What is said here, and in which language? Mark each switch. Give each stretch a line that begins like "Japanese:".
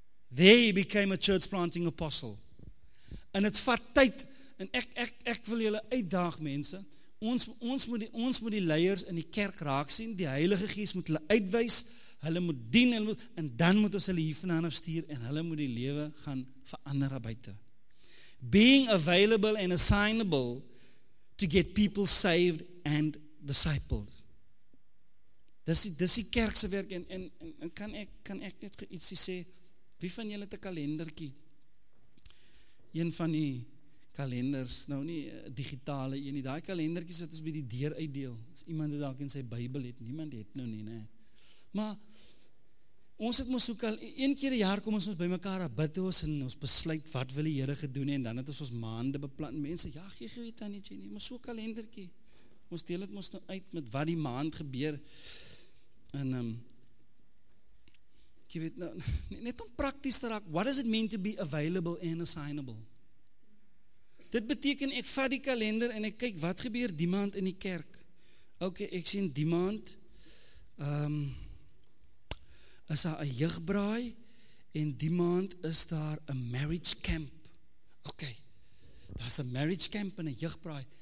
English: There he became a church planting apostle.
Afrikaans: En het vat tyd, en ek wil julle uitdaag mense, ons moet die leiers in die kerk raak sien, die Heilige Gees moet hulle uitwys, hulle moet dien, hulle moet, en dan moet ons hulle hier vanaan afstuur, en hulle moet die lewe gaan verander buite.
English: Being available and assignable to get people saved and discipled.
Afrikaans: Dis die kerkse werk, en kan ek net ietsie sê, wie van julle het 'n kalenderkie? Een van die kalenders, nou nie digitale een, daai kalenderkies wat ons by die deur uitdeel, as iemand het dalk in sy Bybel het, niemand het nou nie, nee. Maar, ons het mos ook al, een keer een jaar kom ons by mekaar a bid ons, en ons besluit wat wil die Here gedoen, en dan het ons maande beplant, mense, ja, gee geweet aan die Jenny, maar so kalenderkie, ons deel het ons nou uit met wat die maand gebeur, en, jy weet nou, net om praktisch te raak,
English: what does it mean to be available and assignable?
Afrikaans: Dit beteken, ek vat die kalender en ek kyk, wat gebeur die maand in die kerk? Okay, ek sien die maand, is daar 'n jeugbraai en die maand is daar 'n marriage camp. Ok, daar is 'n marriage camp en 'n jeugbraai.